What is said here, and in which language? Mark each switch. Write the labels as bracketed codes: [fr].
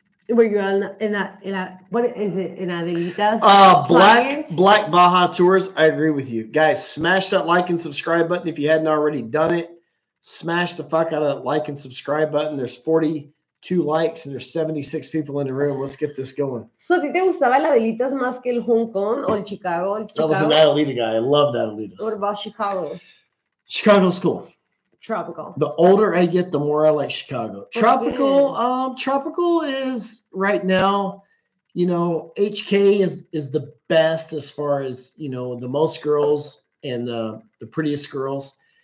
[en] Were you on in a what is it in Adelita's? Black Baja Tours. I agree with you. Guys, smash that like and subscribe button if you hadn't already done it. Smash the fuck out of that like and subscribe button. There's 42 likes and there's 76 people in the room. Let's get this going. [es] So ¿te gustaba la Adelita's más que el Hong Kong o el Chicago? [en] That was an Adelita guy. I love that Adelita's. What about Chicago? Chicago's cool. Tropical. The older I get, the more I like Chicago. What tropical, tropical is right now, you know, HK is the best as far as, you know, the most girls and the prettiest girls.